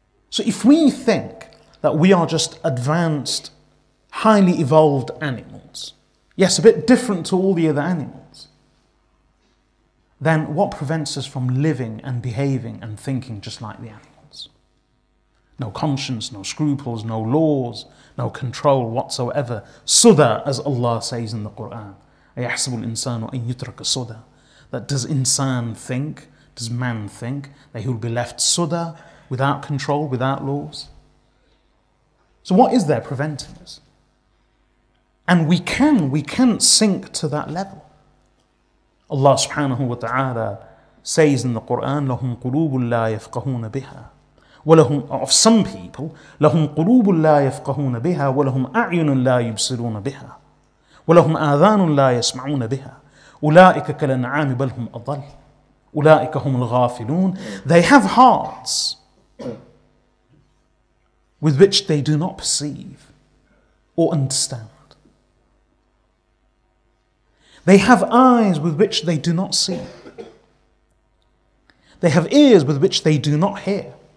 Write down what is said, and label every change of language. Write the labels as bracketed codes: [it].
[en] So if we think that we are just advanced, highly evolved animals, yes, a bit different to all the other animals, then what prevents us from living and behaving and thinking just like the animals? No conscience, no scruples, no laws, no control whatsoever. Suda, as Allah says in the Quran. [ar] أَيَحْسَبُ الْإِنسَانُ أَنْ يُتْرَكَ suda. [en] That does insan think, does man think, that he will be left suda, without control, without laws? So what is there preventing us? And we can sink to that level. Allah subhanahu wa ta'ala says in the Quran, [ar] لَهُمْ قُلُوبٌ لَا يَفْقَهُونَ بِهَا ولهم, [en] of some people, [ar] لهم قلوب لا يفقهون بها ولهم أعين لا يبصرون بها ولهم آذان لا يسمعون بها أولئك كالأنعام بل هم أضل أولئك هم الغافلون. [en] They have hearts with which they do not perceive or understand. They have eyes with which they do not see. They have ears with which they do not hear.